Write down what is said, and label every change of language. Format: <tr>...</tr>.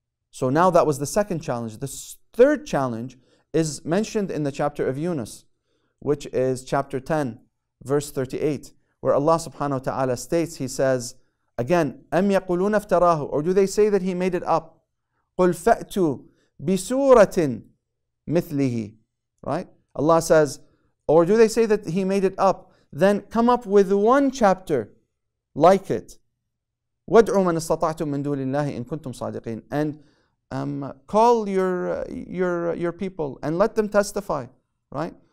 <en>So now that was the second challenge. The third challenge is mentioned in the chapter of Yunus, which is chapter 10, verse 38, where Allah subhanahu wa ta'ala states, he says, again,</en> <ar>أَمْ يَقُولُونَ افْتَرَاهُ</ar> <en>Or do they say that he made it up?</en> <ar>قُلْ فَأْتُوا بِسُورَةٍ مِثْلِهِ</ar> <en>Right? Allah says, or do they say that he made it up? Then come up with one chapter like it.</en> <ar>وَادْعُوا مَنَ اسْتَطَعْتُمْ مِنْ دُولِ اللَّهِ إِن كُنْتُمْ صَادِقِينَ</ar> <en>And call your people and let them testify, right?</en>